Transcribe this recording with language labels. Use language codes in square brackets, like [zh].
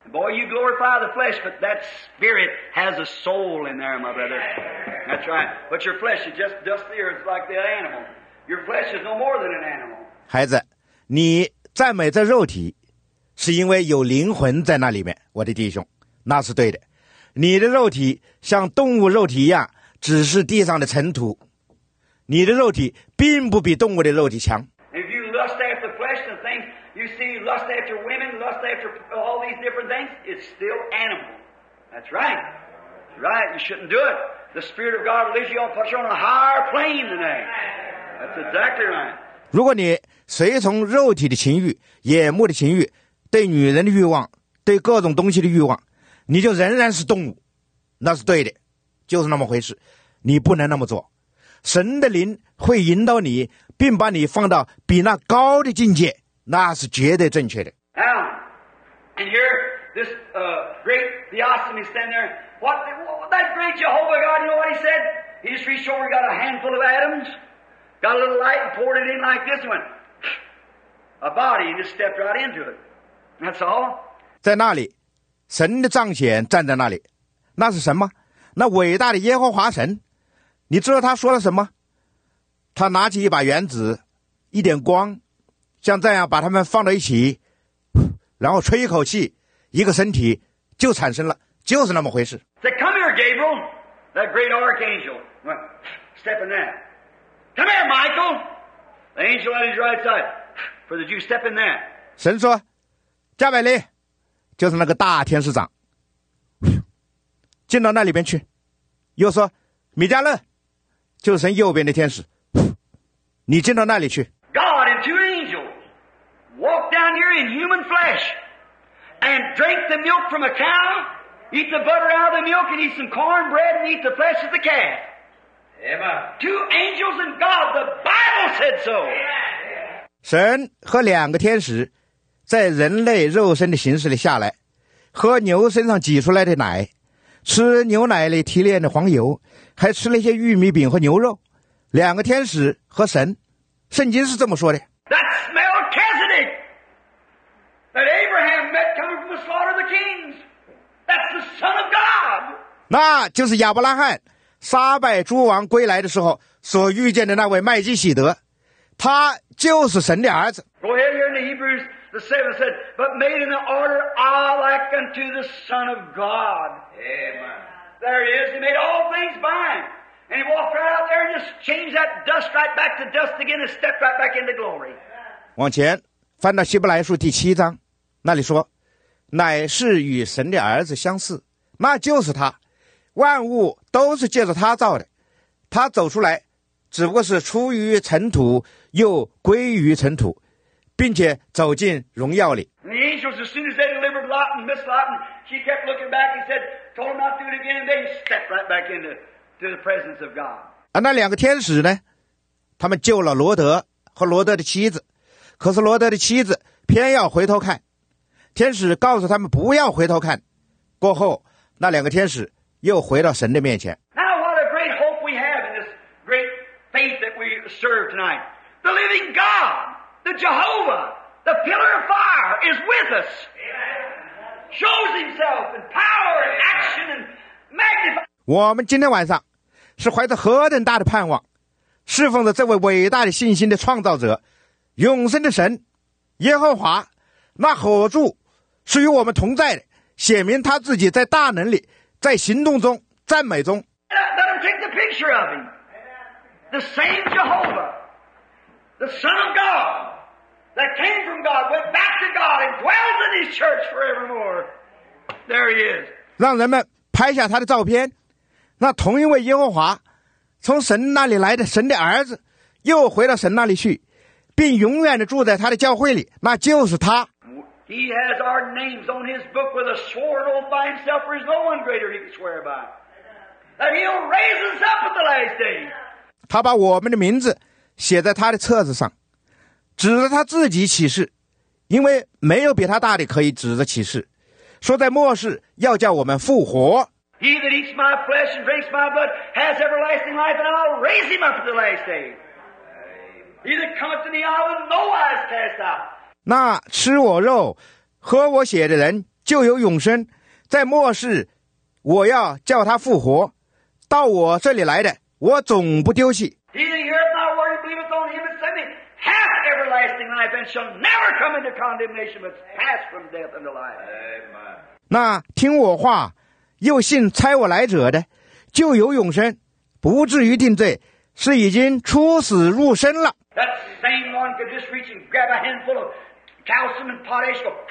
[en] Boy, you glorify the flesh, but that spirit has a soul in there, my brother. That's right. But your flesh is just dust the earth like that animal. Your flesh is no more than an animal. [zh] 孩子，你赞美这肉体，是因为有灵魂在那里面，我的弟兄。那是对的，你的肉体像动物肉体一样，只是地上的尘土。你的肉体并不比动物的肉体强。 [en] If you lust after flesh and things, you see lust after women, lust after all these different things, it's still animal. That's right. Right, you shouldn't do it. The Spirit of God will lead you on a higher plane than that. That's exactly right. [zh] 如果你随从肉体的情欲、眼目的情欲、对女人的欲望、对各种东西的欲望，你就仍然是动物，那是对的，就是那么回事。你不能那么做，神的灵会引导你，并把你放到比那高的境界，那是绝对正确的。 [en] Now, and here this great Theosthenes stand there. What that great Jehovah God? You know what he said? He just reached over, got a handful of atoms, got a little light, and poured it in like this one, a body, and just stepped right into it. That's all. [zh] 在那里，神的彰显站在那里，那是什么？那伟大的耶和华神。你知道他说了什么？他拿起一把原子，一点光，像这样把它们放到一起，然后吹一口气，一个身体就产生了，就是那么回事。 [en] He said, "Come here, Gabriel, that great archangel. Step in there. Come here, Michael, the angel on his right side. For the Jew, step in there." [zh] 神说：“加百列，就是那个大天使长，进到那里边去。” 又说：“米迦勒。” 就是神右边的天使，你进到那里去。 [en] God and two angels walk down here in human flesh and drink the milk from a cow, eat the butter out of the milk, and eat some corn bread and eat the flesh of the calf. Emma. Two angels and God, the Bible said so. [zh] 神和两个天使在人类肉身的形式里下来，喝牛身上挤出来的奶，吃牛奶里提炼的黄油，还吃了一些玉米饼和牛肉，两个天使和神，圣经是这么说的。 [en] That's Melchizedek that Abraham met coming from the slaughter of the kings. That's the Son of God. [zh] 那就是亚伯拉罕杀败诸王归来的时候所遇见的那位麦基洗德，他就是神的儿子。 [en] Go ahead here in the Hebrews the seventh said, but made in the order alike unto the Son of God. Amen. There he is. He made all things by him. And he walked right out there and just changed that dust right back to dust again and stepped right back into glory. [zh] 往前翻到希伯来书第七章，那里说乃是与神的儿子相似，那就是他，万物都是借着他造的，他走出来只不过是出于尘土又归于尘土，并且走进荣耀里。 [en] And the angels, as soon as they delivered Lot and missed Lot and she kept looking back and saidTold him not to do it again, and they stepped right back into the presence of God. [zh] 啊，那两个天使呢？他们救了罗德和罗德的妻子，可是罗德的妻子偏要回头看。天使告诉他们不要回头看。过后，那两个天使又回到神的面前。 [en] Now what a great hope we have in this great faith that we serve tonight. The living God, the Jehovah, the pillar of fire is with us. Shows himself in power and action and magnify. [zh] 我们今天晚上是怀着何等大的盼望，侍奉着这位伟大的信心的创造者，永生的神，耶和华，那火柱是与我们同在的，显明他自己在大能里，在行动中，赞美中。 [en] Let him take the picture of him, the same Jehovah, the Son of God. That came from God, went back to God, and dwells in His church forevermore. There He is. [zh] 让人们拍下他的照片，那同一位耶和华，从神那里来的神的儿子，又回到神那里去，并永远的住在他的教会里，那就是他。 [en] He has our names on His book with a sworn oath by Himself, for there is no one greater He can swear by. That He'll raise us up at the last day. [zh] 他把我们的名字写在他的册子上。指着他自己起誓，因为没有比他大的可以指着起誓，说在末世要叫我们复活。 [en] He that eats my flesh and drinks my blood has everlasting life, and I'll raise him up to the last day. He that cometh to me, I will no wise cast out. [zh] 那吃我肉、喝我血的人就有永生，在末世我要叫他复活。到我这里来的，我总不丢弃。 [en] He that heareth my word and believeth on him that sent me. Everlasting life and shall never come into condemnation, but pass from death into life. Amen. [zh] 那听我话，又信差我来者的，就有永生，不至于定罪，是已经出死入生了。 [en] That same one could just reach and grab a handful of calcium and potash.